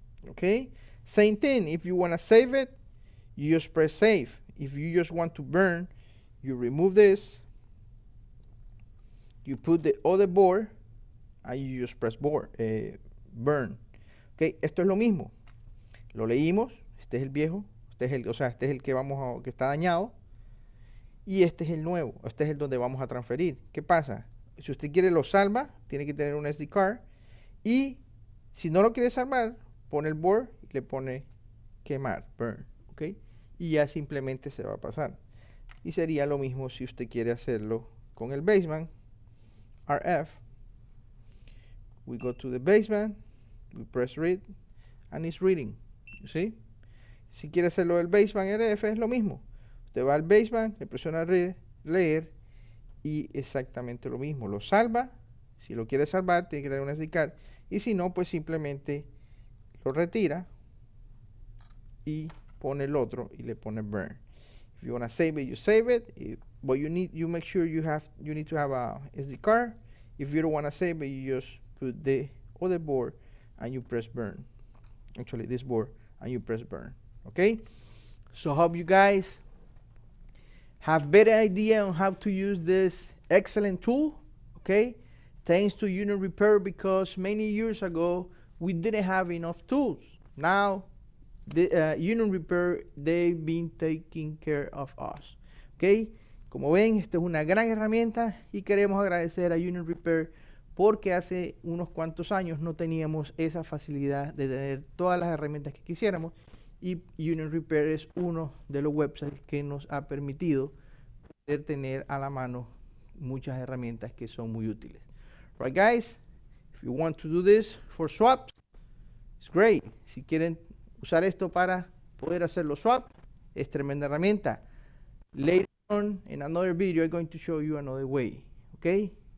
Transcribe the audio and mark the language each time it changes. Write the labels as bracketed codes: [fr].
[en] Okay, same thing. If you want to save it, you just press save. If you just want to burn, you remove this. You put the other board, and you just press board, burn. [es] Okay, esto es lo mismo. Lo leímos, este es el viejo, este es el, o sea, este es el que vamos a, que está dañado, y este es el nuevo, este es el donde vamos a transferir. ¿Qué pasa? Si usted quiere lo salva, tiene que tener un SD card, y si no lo quiere salvar, pone el board, y le pone quemar, burn, okay? Y ya simplemente se va a pasar. Y sería lo mismo si usted quiere hacerlo con el baseband, RF, we go to the baseband, we press read, and it's reading. You see? Si quiere hacerlo del baseband RF, es lo mismo. Usted va al baseband, le presiona read, leer, y exactamente lo mismo. Lo salva, si lo quiere salvar, tiene que tener un SD card, y si no, pues simplemente lo retira y pone el otro y le pone burn. [en] If you want to save it, you save it. But you need, you make sure you have, you need to have a SD card. If you don't want to save it, you just put the other board and you press burn. Actually, this board and you press burn. Okay? So hope you guys have better idea on how to use this excellent tool. Okay? Thanks to Union Repair, because many years ago, we didn't have enough tools. Now, the Union Repair, they've been taking care of us. Okay? [es] Como ven, esta es una gran herramienta y queremos agradecer a Union Repair porque hace unos cuantos años no teníamos esa facilidad de tener todas las herramientas que quisiéramos, y Union Repair es uno de los websites que nos ha permitido poder tener a la mano muchas herramientas que son muy útiles. [en] Right, guys? If you want to do this for swaps, it's great. [es] Si quieren usar esto para poder hacer los swaps, es tremenda herramienta. [en] Later on, in another video, I'm going to show you another way, okay?